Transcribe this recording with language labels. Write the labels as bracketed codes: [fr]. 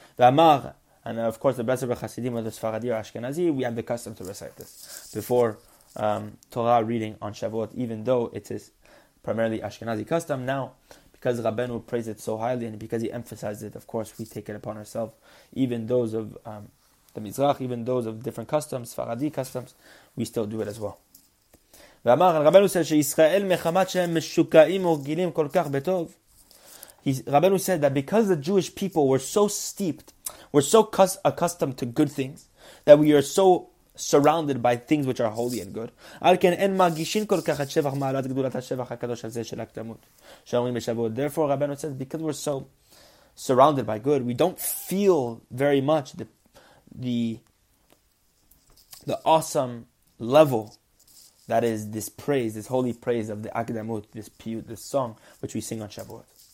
[en] V'amar, and of course the Blessed Rebbe Chassidim of the Sfaradi or Ashkenazi, we have the custom to recite this before Torah reading on Shavuot, even though it is primarily Ashkenazi custom. Now, because Rabbeinu praised it so highly and because he emphasized it, of course we take it upon ourselves, even those of the Mizrach, even those of different customs, Sfaradi customs, we still do it as well. [he] ואמר, רבנו [en] said [he] שישראל מחמת שהם משוקעים ורגילים כל כך בטוב. [en] רבנו said that because the Jewish people were so steeped, were so accustomed to good things, that we are so surrounded by things which are holy and good, [he] על כן אין מרגישים כל כך את שבח מעלת גדולת השבח הקדוש הזה של הקדמות, שאומרים בשבועות. [en] Therefore, רבנו says, because we're so surrounded by good, we don't feel very much the awesome level that is this praise, this holy praise of the Akdamut, this piyut, this song which we sing on Shavuot.